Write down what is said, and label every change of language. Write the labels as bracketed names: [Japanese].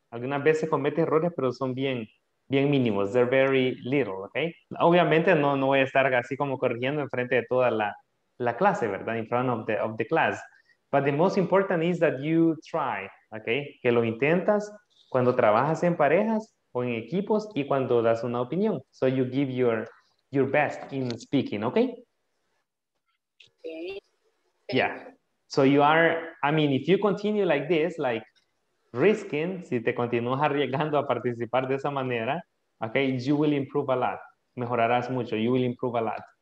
[Spanish] Algunas veces cometes errores, pero son bien mínimos. [English] They're very little. [Spanish] Okay. Obviamente no voy a estar así como corrigiendo en frente de toda la clase, ¿verdad? [English] In front of the class. But the most important is that you try. Okay. [Spanish] Que lo intentas cuando trabajas en parejas o en equipos y cuando das una opinión. [English] So you give your best in speaking. Okay. Okay. Yeah. So you are, if you continue like this, like risking, [Spanish] si te continúas arriesgando a participar de esa manera, [English] okay, you will improve a lot. [Spanish] Mejorarás mucho. [English] You will improve a lot.